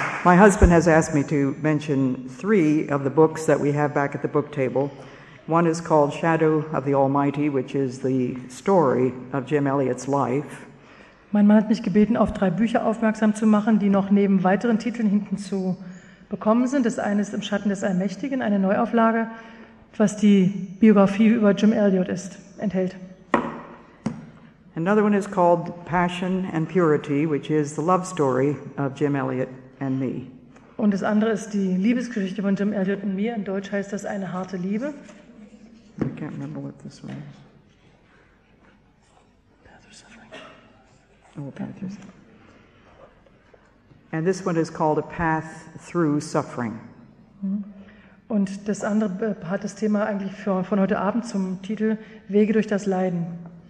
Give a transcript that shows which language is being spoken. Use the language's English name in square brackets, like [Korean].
[English] My husband has asked me to mention three of the books that we have back at the book table. One is called Shadow of the Almighty, which is the story of Jim Elliot's life. [German] Mein Mann hat mich gebeten, auf drei Bücher aufmerksam zu machen, die noch neben weiteren Titeln hinten zu bekommen sind. Das eine ist Im Schatten des Allmächtigen, eine Neuauflage, was die Biografie über Jim Elliot ist, enthält. [English] Another one is called Passion and Purity, which is the love story of Jim Elliot and me. [German] Und das andere ist die Liebesgeschichte von Jim Elliot und mir. In Deutsch heißt das Eine harte Liebe. [English] I can't remember what this one is. Path of Suffering. Oh, Path of Suffering. And this one is called A Path Through Suffering. [German] Und das andere hat das Thema eigentlich von heute Abend zum Titel Wege durch das Leiden.